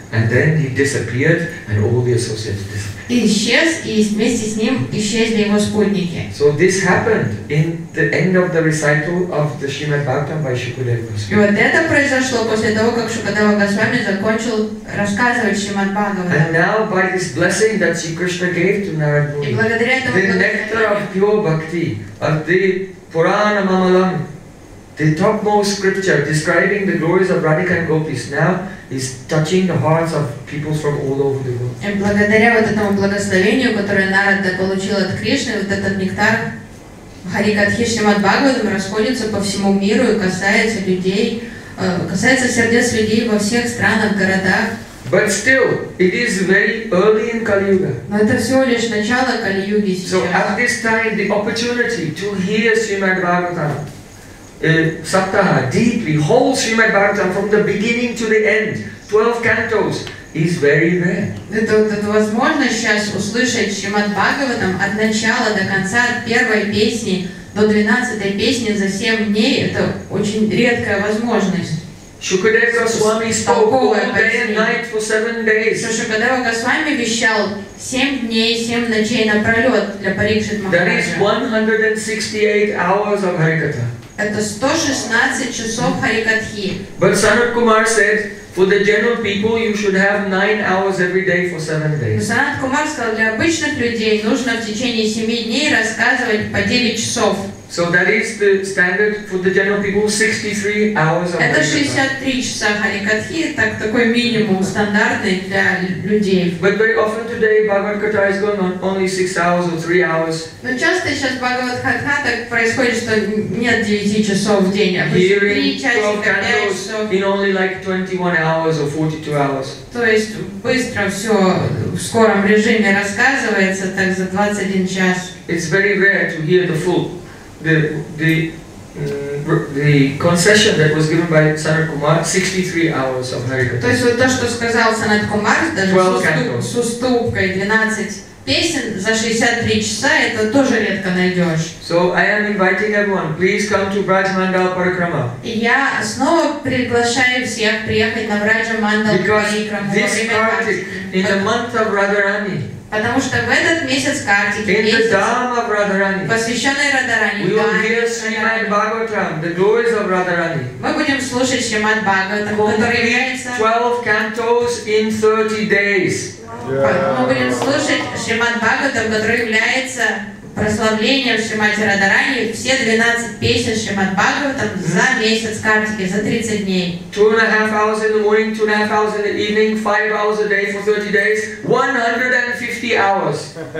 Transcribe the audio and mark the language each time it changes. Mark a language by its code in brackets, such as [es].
[en] And then he disappeared, and all the associates disappeared. [ru] И исчез, и вместе с ним исчезли его спутники. [en] So this happened in the end of the recital of the Srimad Bhagavatam by Shukadeva Goswami. [ru] И вот это произошло после того, как Шукадева Госвами закончил рассказывать Шримад Бхагаватам. [en] And now by this blessing that Sri Krishna gave to Narada Muni, the nectar of pure bhakti, of the Purana Mamalam, the topmost scripture describing the glories of Radhika and Gopis now is touching the hearts of people from all over the world. [ru] And благодаря вот этому благословению, которое Нарада получил от Кришны, вот этот нектар Харикатхи Шримад Бхагаватам расходится по всему миру и касается людей, касается сердец людей во всех странах, городах. [en] But still, it is very early in Kali Yuga. [ru] Но это всего лишь начало Кали Юги сейчас. [en] So at this time, the opportunity to hear Srimad Bhagavatam. Saptaha, deeply, whole Srimad Bhagavatam from the beginning to the end, 12 cantos, is very rare. [ru] Это возможно сейчас услышать Шримад Бхагаватам от начала до конца, от первой песни до 12 песни за 7 дней, это очень редкая возможность. [en] Shukadeva Goswami spoke all day and night for 7 days. [ru] Шукадева Госвами вещал 7 дней, 7 ночей напролет для Парикшит Махараджа. [en] That is 168 hours of Harikatha. [ru] Это 116 часов харикатхи. [en] But Sanat Kumar said, for the general people, you should have 9 hours every day for 7 days. [ru] Sanat Kumar сказал, для обычных людей нужно в течение 7 дней рассказывать по 9 часов. [en] So that is the standard for the general people, 63 hours of harikatha. [ru] Это 63 часа харикатхи, так такой минимум стандартный для людей. [en] But very often today, Bhagavad Katha is going on only 6 hours or 3 hours. [ru] Но часто сейчас Bhagavad Katha так происходит, что нет 9 часов в день, а 3 часика, 5 часов. [en] In only like 21 hours or 42 hours. [ru] То есть быстро все в скором режиме рассказывается, так за 21 час. [en] It's very rare to hear the full. The concession that was given by Sanat Kumar, 63 hours of Harikatha. [ru] То есть вот то, что сказал Sanat Kumar, даже с уступкой 12 песен за 63 часа, это тоже редко найдешь. [en] So I am inviting everyone, please come to Braj Mandal Parikrama. [ru] Я снова приглашаю всех приехать на Braj Mandal Parikrama. [en] In the month of Radharani. [ru] Потому что в этот месяц Картики, [en] Radharani, [ru] посвященный Радарани, Радарани, мы будем слушать Шримад Бхагаватам, который является [en] 12 cantos in 30 days. Yeah. [ru] Мы будем слушать Шримад Бхагаватам, который является прославлением Шримати Радарани, все 12 песен Шримад Бхагаватам за месяц Картики, за 30 дней. [en] 2.5 hours in the morning, 2.5 hours in the evening, 5 hours a day for 30 days, 150 hours.